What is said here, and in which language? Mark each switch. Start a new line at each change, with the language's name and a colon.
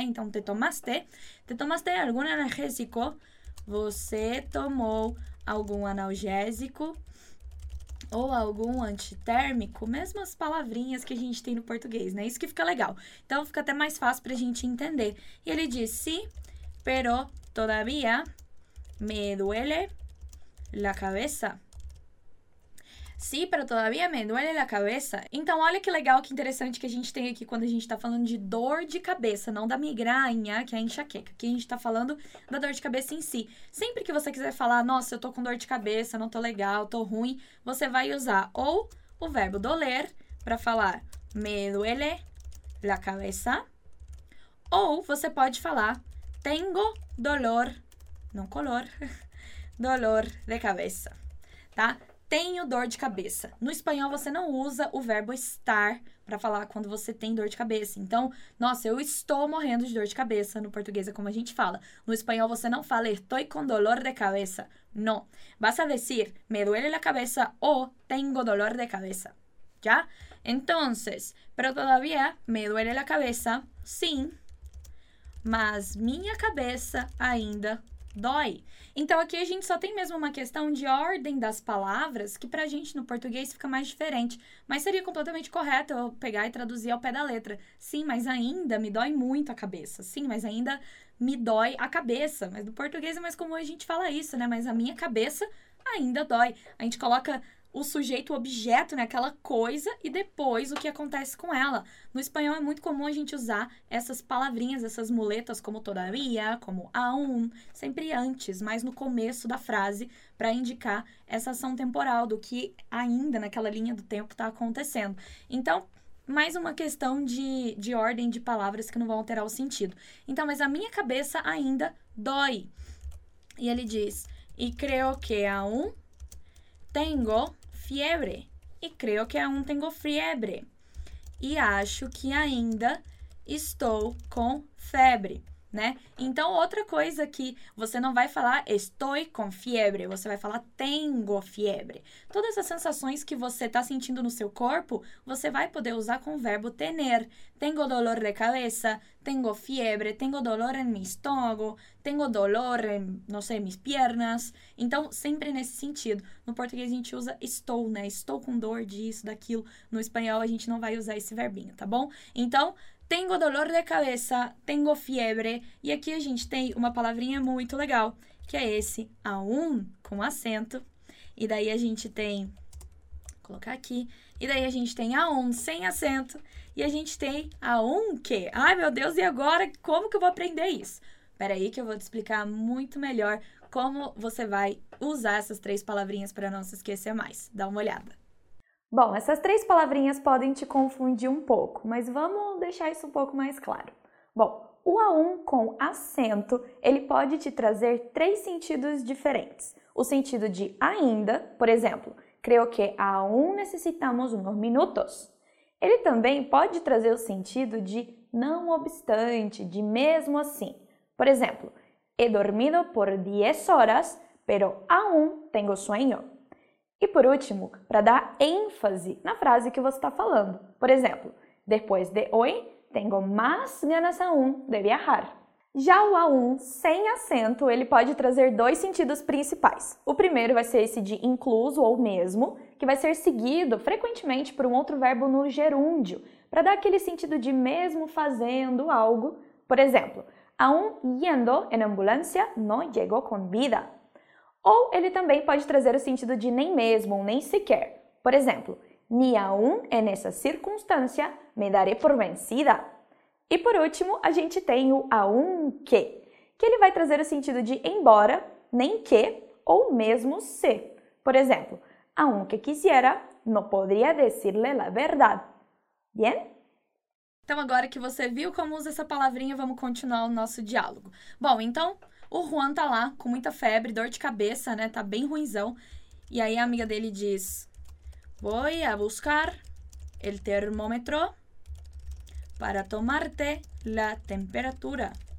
Portuguese: Então, te tomaste algum analgésico, você tomou algum analgésico ou algum antitérmico, mesmo as palavrinhas que a gente tem no português, né? Isso que fica legal. Então, fica até mais fácil para a gente entender. E ele diz,
Spanish: sí, pero todavía me duele la cabeza. Sí, pero todavía me duele la cabeza.
Portuguese: Então, olha que legal, que interessante que a gente tem aqui quando a gente tá falando de dor de cabeça, não da migranha, que é a enxaqueca. Aqui a gente tá falando da dor de cabeça em si. Sempre que você quiser falar, nossa, eu tô com dor de cabeça, não tô legal, tô ruim, você vai usar ou o verbo doler pra falar
Spanish: me duele la cabeza,
Portuguese: ou você pode falar
Spanish: tengo dolor,
Portuguese: não color, dolor de cabeça, tá? Tenho dor de cabeça. No espanhol, você não usa o verbo estar para falar quando você tem dor de cabeça. Então, nossa, eu estou morrendo de dor de cabeça. No português é como a gente fala. No espanhol, você não fala
Spanish: estoy con dolor de cabeza. No. Basta decir me duele la cabeza o tengo dolor de cabeza. ¿Ya? Entonces, pero todavía me duele la cabeza.
Portuguese: Sim, mas minha cabeça ainda dói. Então, aqui a gente só tem mesmo uma questão de ordem das palavras, que pra gente no português fica mais diferente. Mas seria completamente correto eu pegar e traduzir ao pé da letra. Sim, mas ainda me dói muito a cabeça. Sim, mas ainda me dói a cabeça. Mas no português é mais comum a gente falar isso, né? Mas a minha cabeça ainda dói. A gente coloca o sujeito, o objeto, né? Aquela coisa, e depois o que acontece com ela. No espanhol é muito comum a gente usar essas palavrinhas, essas muletas, como todavía, como aún, sempre antes, mas no começo da frase, para indicar essa ação temporal do que ainda naquela linha do tempo está acontecendo. Então, mais uma questão de ordem de palavras que não vão alterar o sentido. Então, mas a minha cabeça ainda dói. E ele diz,
Spanish: y creo que aún tengo fiebre. E creo que aún tengo fiebre.
Portuguese: E acho que ainda estou com febre, né? Então, outra coisa que você não vai falar
Spanish: estoy con fiebre,
Portuguese: você vai falar
Spanish: tengo fiebre.
Portuguese: Todas essas sensações que você está sentindo no seu corpo, você vai poder usar com o verbo tener.
Spanish: Tengo dolor de cabeza, tengo fiebre, tengo dolor en mi estómago, tengo dolor en, no sé, mis piernas.
Portuguese: Então, sempre nesse sentido. No português, a gente usa estou, né? Estou com dor disso, daquilo. No espanhol, a gente não vai usar esse verbinho, tá bom?
Spanish: Então, tengo dolor de cabeza, tengo fiebre.
Portuguese: E aqui a gente tem uma palavrinha muito legal, que é esse aún, com acento. E daí a gente tem, vou colocar aqui. E daí a gente tem aún, sem acento. E a gente tem aún que. Ai, meu Deus, e agora como que eu vou aprender isso? Espera aí que eu vou te explicar muito melhor como você vai usar essas três palavrinhas para não se esquecer mais. Dá uma olhada. Bom, essas três palavrinhas podem te confundir um pouco, mas vamos deixar isso um pouco mais claro. Bom, o aún com acento, ele pode te trazer três sentidos diferentes. O sentido de ainda, por exemplo,
Spanish: creo que aún necesitamos unos minutos.
Portuguese: Ele também pode trazer o sentido de não obstante, de mesmo assim. Por exemplo,
Spanish: he dormido por 10 horas, pero aún tengo sueño.
Portuguese: E por último, para dar ênfase na frase que você está falando. Por exemplo, depois de
Spanish: hoy, tengo más ganas aún de viajar.
Portuguese: Já o aún sem acento, ele pode trazer dois sentidos principais. O primeiro vai ser esse de incluso ou mesmo, que vai ser seguido frequentemente por um outro verbo no gerúndio, para dar aquele sentido de mesmo fazendo algo.
Spanish: Por exemplo, aún yendo en ambulancia no llegó con vida.
Portuguese: Ou ele também pode trazer o sentido de nem mesmo, nem sequer.
Spanish: Por exemplo, ni aún en esa circunstancia me daré por vencida.
Portuguese: E por último, a gente tem o aún que ele vai trazer o sentido de embora, nem que, ou mesmo se.
Spanish: Por exemplo, aún que quisiera, no podría decirle la verdad. Bien?
Portuguese: Então, agora que você viu como usa essa palavrinha, vamos continuar o nosso diálogo. Bom, então, o Juan tá lá com muita febre, dor de cabeça, né? Tá bem ruinzão. E aí a amiga dele diz,
Spanish: voy a buscar el termómetro para tomarte la temperatura.